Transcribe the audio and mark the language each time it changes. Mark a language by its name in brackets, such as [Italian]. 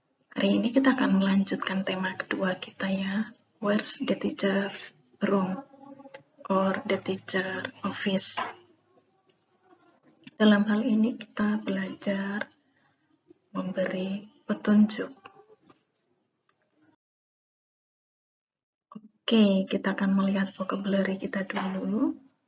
[Indonesian] Hari ini kita akan melanjutkan tema kedua kita ya. [English] Where's the teacher's room? Or the teacher's office? [Indonesian] Dalam hal ini kita belajar memberi petunjuk. Oke, kita akan melihat vocabulary kita dulu.